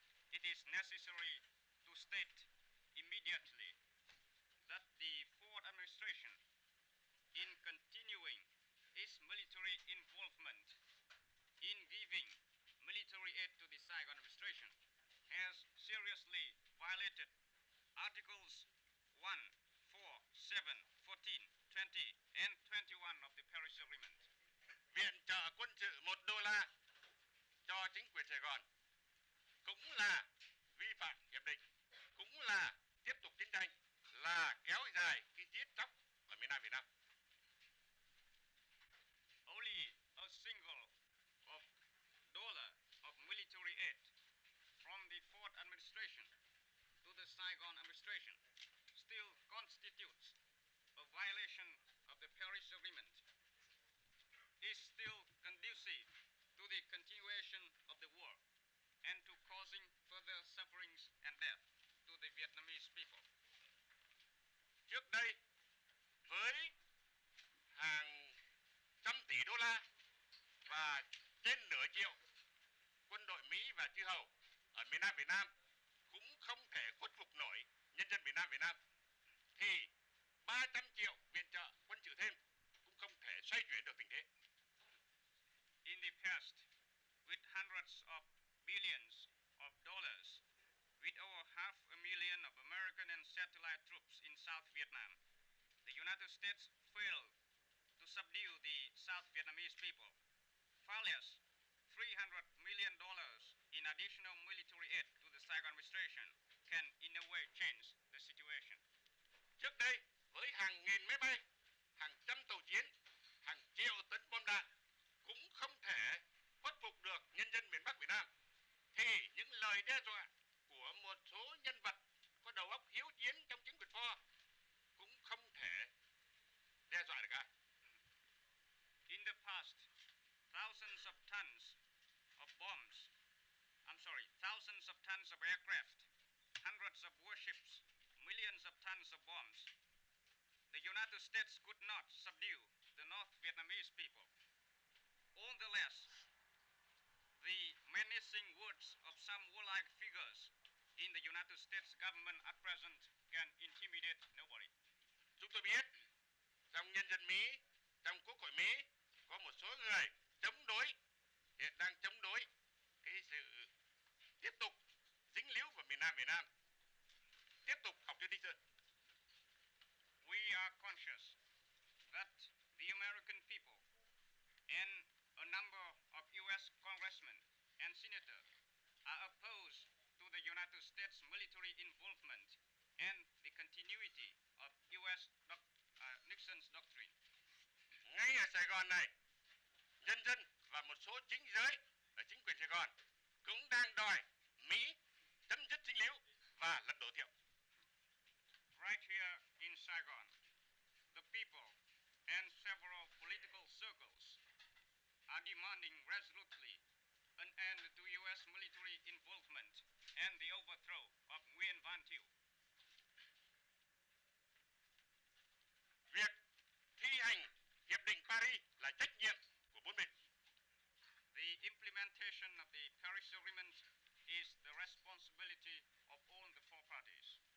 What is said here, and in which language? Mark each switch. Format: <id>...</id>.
<en>It is necessary to state immediately that the Ford administration, in continuing its military involvement in giving military aid to the Saigon administration, has seriously violated Articles 1, 4, 7, 14, 20, and 21 of the Paris Agreement.</en> <vi>Viện trợ quân sự $1 cho chính quyền Sài Gòn cũng là vi phạm hiệp định, cũng là tiếp tục chiến tranh, là kéo dài cái giết chóc ở miền Nam Việt Nam.</vi> <en>Only a single of dollar of military aid from the Ford administration to the Saigon administration still constitutes a violation of the Paris Agreement, is still conducive to the continuation of the war and to causing further sufferings and death to the Vietnamese people.</en> <vi>Trước đây, với hàng trăm tỷ đô la và trên nửa triệu quân đội Mỹ và chư hầu ở miền Nam Việt Nam cũng không thể khuất phục nổi nhân dân miền Nam Việt Nam, thì 300 triệu viện trợ quân sự thêm cũng không thể xoay chuyển được tình thế.</vi> <en>In the past, with hundreds of billions of dollars, with over 500,000 of American and satellite troops in South Vietnam, the United States failed to subdue the South Vietnamese people. Failures, $300 million in additional military aid to the Saigon administration can in a way change the situation.</en> <vi>Trước đây, với hàng nghìn máy bay, hàng trăm tàu chiến, hàng triệu tấn bom đạn cũng không thể khuất phục được nhân dân miền Bắc Việt Nam, thì những lời đe dọa của một số nhân vật có đầu óc hiếu chiến trong chính quyền Ford cũng không thể đe dọa được cả.</vi> <en>In the past, thousands of tons of aircraft, hundreds of warships, millions of tons of bombs, the United States could not subdue the North Vietnamese people. Nonetheless, the menacing words of some warlike figures in the United States government at present can intimidate nobody.</en> <vi>Chúng tôi biết trong nhân dân Mỹ, trong Quốc hội Mỹ có một số người chống đối, hiện đang chống đối cái sự tiếp tục dính líu vào miền Nam Việt Nam, tiếp tục học chiến tranh.</vi> <en>We are conscious that the American people and a number of US congressmen and senators are opposed to the United States military involvement and the continuity of US Nixon's doctrine.</en> <vi>Ngay ở Sài Gòn này, nhân dân và một số chính giới ở chính quyền Sài Gòn cũng đang đòi Mỹ chấm dứt dính líu và lật đổ Thiệu.</vi> <en>Right here in Saigon, the people and several political circles are demanding resolutely an end to U.S. military involvement and the overthrow of Nguyen Van Thieu.</en> <vi>Việc thi hành Hiệp định Paris là trách nhiệm của bốn bên.</vi> <en>The implementation of the Paris Agreement is the responsibility of all the four parties.</en>